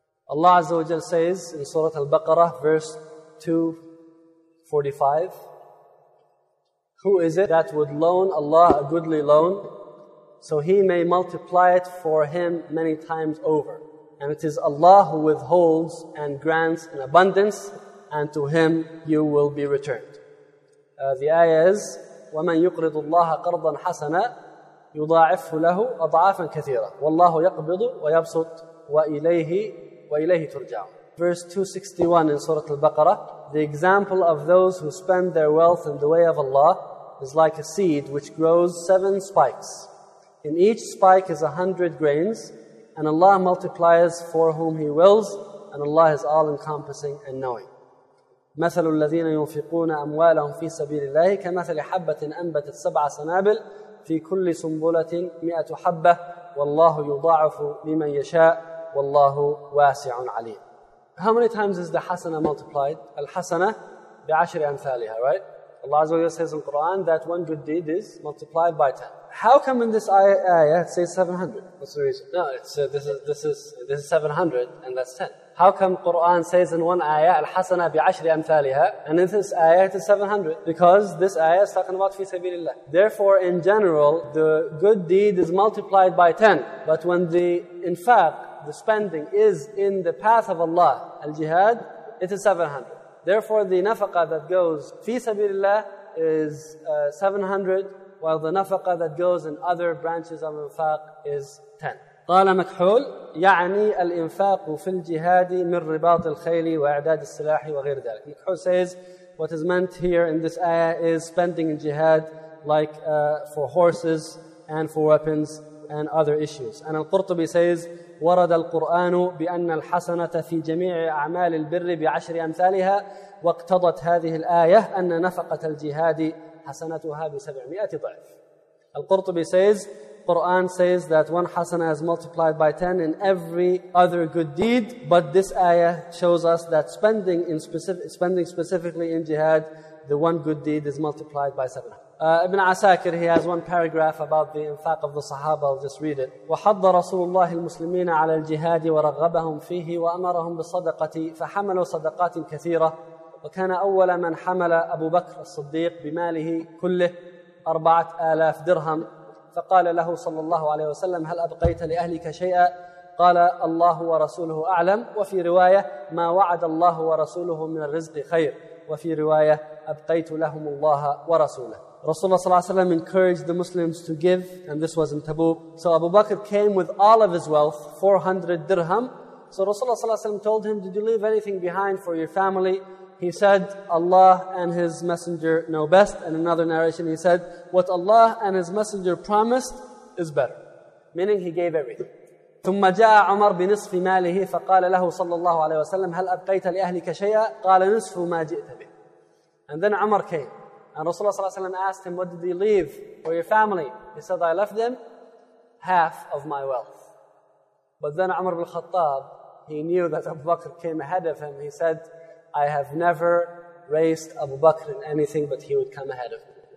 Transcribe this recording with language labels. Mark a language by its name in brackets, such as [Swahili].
[English] Allah Azza wa Jal says in Surah Al-Baqarah, verse 245, who is it that would loan Allah a goodly loan so He may multiply it for him many times over? And it is Allah who withholds and grants in abundance, and to Him you will be returned. [Arabic] The ayah is, وَمَنْ يُقْرِضُ اللَّهَ قَرْضًا حَسَنًا يُضَاعِفْهُ لَهُ أَضْعَافًا كَثِيرًا وَاللَّهُ يَقْبِضُ وَيَبْسُطُ وَإِلَيْهِ تُرْجَعُ. [English] Verse 261 in Surah Al-Baqarah, the example of those who spend their wealth in the way of Allah is like a seed which grows 7 spikes. In each spike is 100 grains, and Allah multiplies for whom He wills, and Allah is all-encompassing and knowing. [Arabic] مثل الذين ينفقون أموالهم في سبيل الله كمثل حبة أنبتت 7 سنابل في كل سنبلة 100 حبة والله يضاعف لمن يشاء والله واسع عليم. [English] How many times is the hasana multiplied? [Arabic] الحسنة بعشر أمثالها, right? [English] Allah Azza wa Jalla says in Quran that one good deed is multiplied by 10. How come in this ayah it says 700? What's the reason? No, it's this is 700 and that's 10. How come Quran says in one ayah al-hasana bi'ashri amthaliha, and in this ayah it is 700? Because this ayah is talking about fi sabilillah. Therefore, in general, the good deed is multiplied by 10. But when the infaq, the spending, is in the path of Allah, al-jihad, it is 700. Therefore, the nafaqah that goes fi sabilillah is 700, while the nafaqah that goes in other branches of infaq is 10. [Arabic] قال مكحول يعني الإنفاق في الجهاد من رباط الخيل وإعداد السلاح وغير ذلك. [English] مكحول says what is meant here in this ayah is spending in jihad like for horses and for weapons and other issues. [Arabic] And القرطبي says ورد القرآن بأن الحسنة في جميع أعمال البر بعشر أمثالها واقتضت هذه الآية أن نفقة الجهاد حسنتها بسبعمائة ضعف. [English] القرطبي says Quran says that one hasana is multiplied by 10 in every other good deed, but this ayah shows us that spending specifically in jihad, the one good deed is multiplied by 7. Ibn Asakir, he has one paragraph about the infaq of the Sahaba. [Arabic] I'll just read it. وَحَضَّ رَسُولُ اللَّهِ الْمُسْلِمِينَ عَلَى الْجِهَادِ وَرَغَّبَهُمْ فِيهِ وَأَمَرَهُمْ بِصَدَقَةِ فَحَمَلُوا صَدَقَاتٍ كَثِيرَةٍ وَكَانَ أَوَّلَ مَنْ حَمَلَ أَبُو بَكْرَ الصِّدِّيقِ بِمَالِهِ كُلِّهِ 4,000 درهم. فقال له صلى الله عليه وسلم هل أبقيت لأهلك شيئا قال الله ورسوله أعلم وفي رواية ما وعد الله ورسوله من الرزق خير وفي رواية أبقيت لهم الله ورسوله. [English] رسول الله صلى الله عليه وسلم encouraged the Muslims to give, and this was in Tabuk. So Abu Bakr came with all of his wealth, 400 dirham. So Rasulullah صلى الله عليه وسلم told him, did you leave anything behind for your family? He said, Allah and His Messenger know best. And another narration, he said, what Allah and His Messenger promised is better. Meaning, he gave everything. [Arabic] ثم جاء عمر بنصف ماله فقال له صلى الله عليه وسلم هل أبقيت لأهلك شيئا قال نصف ما جئت به. [English] And then Umar came. And Rasulullah صلى الله عليه وسلم asked him, what did you leave for your family? He said, I left them half of my wealth. But then Umar bin Khattab, he knew that Abu Bakr came ahead of him. He said, I have never raced Abu Bakr in anything, but he would come ahead of me.